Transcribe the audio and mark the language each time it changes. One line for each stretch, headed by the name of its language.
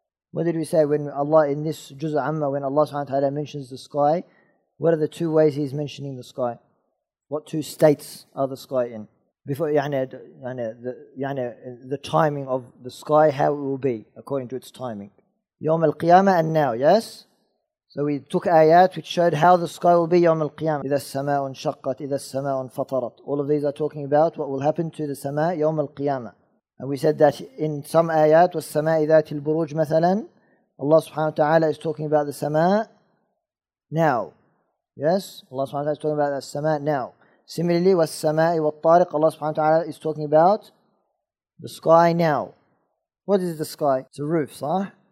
English: What did we say when Allah in this juz' amma, when Allah subhanahu wa ta'ala mentions the sky, what are the two ways He's mentioning the sky? What two states are the sky in? Before the timing of the sky, how it will be according to its timing. Yawm al-qiyamah and now, yes? So we took ayat which showed how the sky will be yawm al-qiyamah.
Arabic: إِذَا السَّمَاءُ انشَقَّتْ إِذَا السَّمَاءُ انفَطَرَتْ.
English: All of these are talking about what will happen to the sama yawm al-qiyamah. And we said that in some ayat,
Arabic: وَالسَّمَاءِ ذَاتِ الْبُرُوجِ مَثَلًا,
English: Allah subhanahu wa ta'ala is talking about the sama now. Yes? Allah subhanahu wa ta'ala is talking about the sama now. Similarly,
Arabic: وَالسَّمَاءِ وَالطَّارِقِ,
English: Allah subhanahu wa ta'ala is talking about the sky now. What is the sky? It's a roof, صح?